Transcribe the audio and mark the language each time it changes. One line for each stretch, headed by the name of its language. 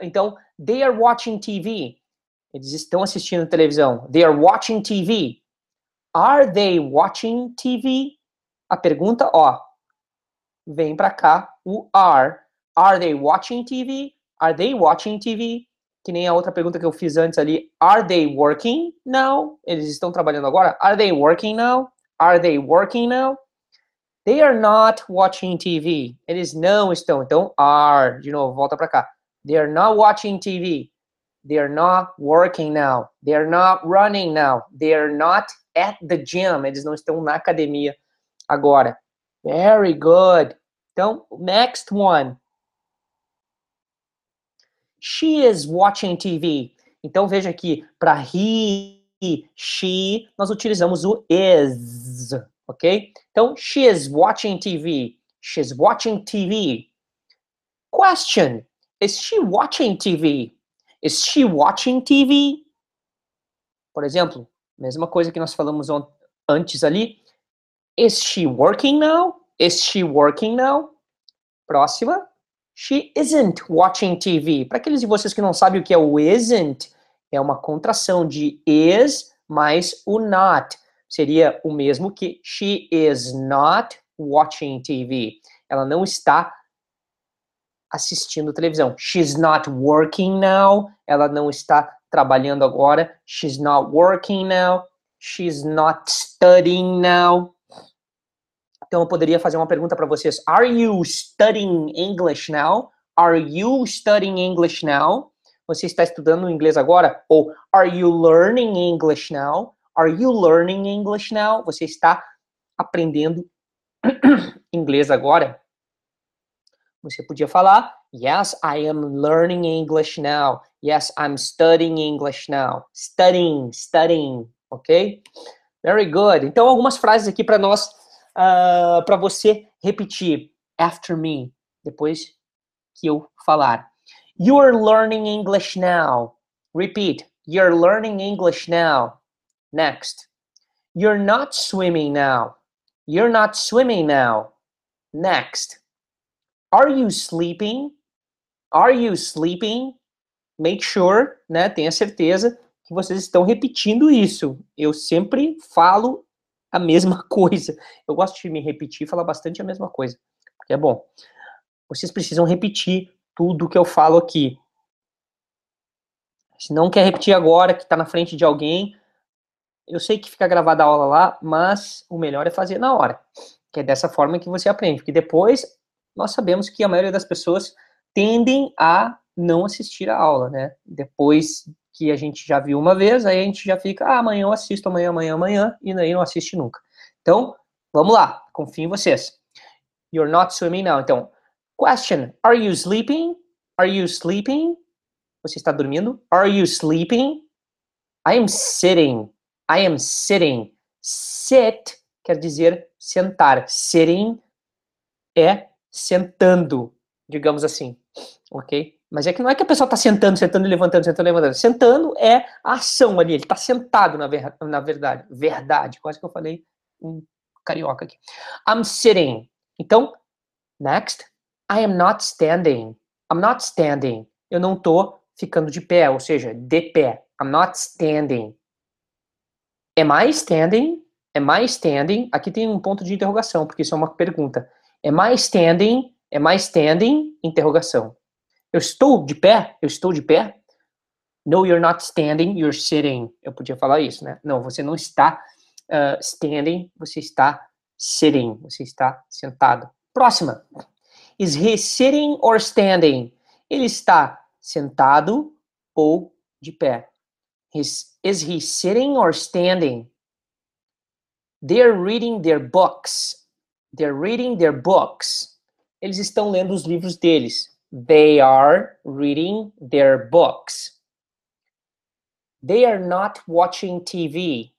Portuguese: Então,
English: they are watching TV.
Portuguese: Eles estão assistindo televisão.
English: They are watching TV. Are they watching TV?
Portuguese: A pergunta, ó, vem para cá o are.
English: Are they watching TV?
Portuguese: Are they watching TV? Que nem a outra pergunta que eu fiz antes ali.
English: Are they working now?
Portuguese: Eles estão trabalhando agora?
English: Are they working now? Are they working now? They are not watching TV.
Portuguese: Eles não estão. Então, are. De novo, volta pra cá.
English: They are not watching TV. They are not working now. They are not running now. They are not at the gym.
Portuguese: Eles não estão na academia agora.
English: Very good.
Portuguese: Então,
English: next one. She is watching TV.
Portuguese: Então, veja aqui, para he, she, nós utilizamos o is, ok?
English: Então, she is watching TV. She is watching TV. Question, is she watching TV? Is she watching TV?
Portuguese: Por exemplo, mesma coisa que nós falamos antes ali.
English: Is she working now? Is she working now?
Portuguese: Próxima.
English: She isn't watching TV.
Portuguese: Para aqueles de vocês que não sabem o que é o isn't, é uma contração de is mais o not. Seria o mesmo que
English: she is not watching TV.
Portuguese: Ela não está assistindo televisão.
English: She's not working now.
Portuguese: Ela não está trabalhando agora.
English: She's not working now. She's not studying now.
Portuguese: Então, eu poderia fazer uma pergunta para vocês.
English: Are you studying English now? Are you studying English now?
Portuguese: Você está estudando inglês agora? Ou,
English: are you learning English now? Are you learning English now?
Portuguese: Você está aprendendo inglês agora? Você podia falar,
English: yes, I am learning English now. Yes, I'm studying English now. Studying, studying, ok? Very good.
Portuguese: Então, algumas frases aqui para nós, para você repetir.
English: After me,
Portuguese: depois que eu falar.
English: You are learning English now. Repeat. You're learning English now. Next. You're not swimming now. You're not swimming now. Next. Are you sleeping? Are you sleeping? Make sure,
Portuguese: né? Tenha certeza que vocês estão repetindo isso. Eu sempre falo a mesma coisa. Eu gosto de me repetir e falar bastante a mesma coisa. Porque é bom. Vocês precisam repetir tudo que eu falo aqui. Se não quer repetir agora, que está na frente de alguém, eu sei que fica gravada a aula lá, mas o melhor é fazer na hora. Que é dessa forma que você aprende. Porque depois, nós sabemos que a maioria das pessoas tendem a não assistir a aula, né? Depois que a gente já viu uma vez, aí a gente já fica, ah, amanhã eu assisto, amanhã, amanhã, amanhã, e daí não assiste nunca. Então, vamos lá, confio em vocês.
English: You're not swimming now.
Portuguese: Então,
English: question, are you sleeping? Are you sleeping?
Portuguese: Você está dormindo?
English: Are you sleeping? I am sitting. I am sitting.
Portuguese: Sit quer dizer sentar. Sitting é sentando, digamos assim. Ok? Mas é que não é que a pessoa está sentando, sentando e levantando, sentando e levantando. Sentando é a ação ali. Ele está sentado, na verdade. Verdade. Quase que eu falei um carioca aqui.
English: I'm sitting.
Portuguese: Então,
English: next. I am not standing. I'm not standing.
Portuguese: Eu não estou ficando de pé, ou seja, de pé.
English: I'm not standing. Am I standing? Am I standing?
Portuguese: Aqui tem um ponto de interrogação, porque isso é uma pergunta.
English: Am I standing? Am I standing?
Portuguese: Interrogação. Eu estou de pé? Eu estou de pé?
English: No, you're not standing, you're sitting.
Portuguese: Eu podia falar isso, né? Não, você não está standing, você está sitting. Você está sentado. Próxima.
English: Is he sitting or standing?
Portuguese: Ele está sentado ou de pé?
English: Is he sitting or standing? They're reading their books. They're reading their books.
Portuguese: Eles estão lendo os livros deles.
English: They are reading their books. They are not watching TV.